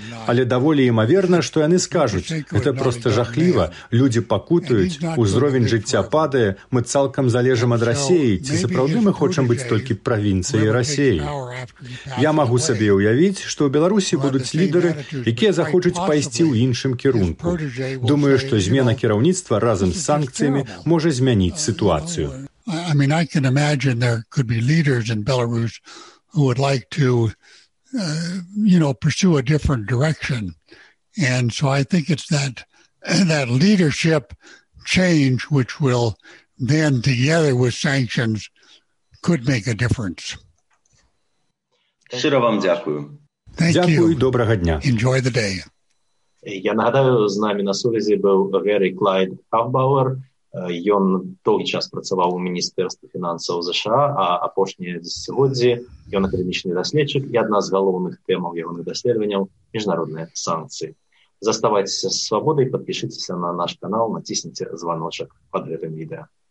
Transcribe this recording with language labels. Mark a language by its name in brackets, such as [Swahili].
[Belarusian] Але даволі імаверна, што яны скажуць, гэта проста жахліва, людзі пакутаюць, узровень жыцця падае, мы цалкам залежым ад Расіі, ці сапраўды мы хочам быць толькі правінцыяй Расіі. Я магу сабе ўявіць, што ў Беларусі будуць лідары, якія захочуць пайсці ў іншым кірунку. Думаю, што змена кіраўніцтва разам з санкцыямі можа змяніць сітуацыю. [English] I mean, I can imagine there could be leaders in Belarus who would like to, pursue a different direction. And so I think it's that leadership change which will then, together with sanctions, could make a difference. [Ukrainian] Щиро вам дякую. Дякую і доброго дня. [English] Enjoy the day. [Belarusian] Я нагадаю, з нами на сувязі був Гэрі Клайд Хафбауэр. Ён доўгі час працаваў у Міністэрстве фінансаў США, а апошнія дзесяцігоддзі ён акадэмічны даследчык, і адна з галоўных тэмаў ягоных даследаванняў – міжнародныя санкцыі. Заставайцеся з свабодай, падпішыцеся на наш канал, націсніце званочак пад гэтым відэа.